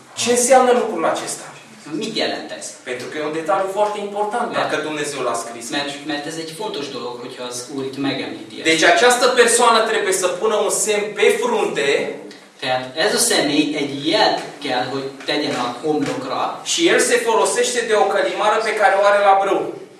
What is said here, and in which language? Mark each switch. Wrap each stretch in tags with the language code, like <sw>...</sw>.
<ro>Ce înseamnă lucrul acesta?</ro> <hu>Mit jelent ez?</hu> <ro>Pentru că e un detaliu foarte important, dacă Dumnezeu l-a scris.</ro> <hu>Mert ez egy fontos dolog, hogyha az Úr itt megemlíti.</hu> <ro>Deci această persoană trebuie să pună un semn pe frunte.</ro> <hu>Tehát ez a személy egy jel kell, hogy tegyen a homlokra.</hu> <ro>Și el se folosește de o călimară pe care o are la brâu.</ro>